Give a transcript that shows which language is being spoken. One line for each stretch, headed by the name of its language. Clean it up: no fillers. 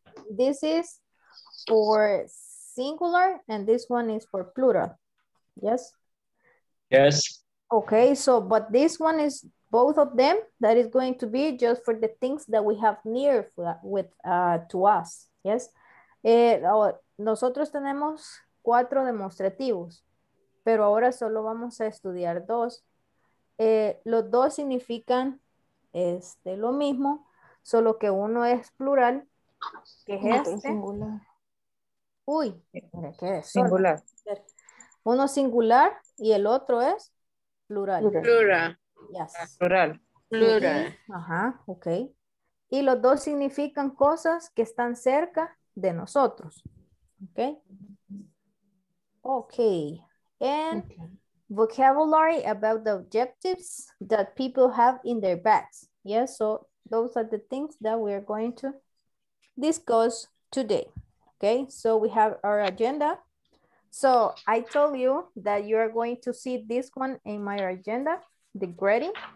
English: This is for singular, and this one is for plural. Yes? Yes. Okay, so, but this one is both of them, that is going to be just for the things that we have near with to us. Yes.
Spanish: Nosotros tenemos 4 demostrativos, pero ahora solo vamos a estudiar 2. Los 2 significan lo mismo, solo que uno es plural, que es singular. Uy, mira, ¿qué es? Singular. Uno singular y el otro es plural. Plural.
English: Yes.
Spanish: Plural. Plural. Ajá, ok. Y los 2 significan cosas que están cerca de nosotros.
English: Ok. Ok. And vocabulary about the objectives that people have in their bags. Yes, so those are the things that we are going to discuss today. Okay, so we have our agenda. So I told you that you are going to see this one in my agenda, the grading.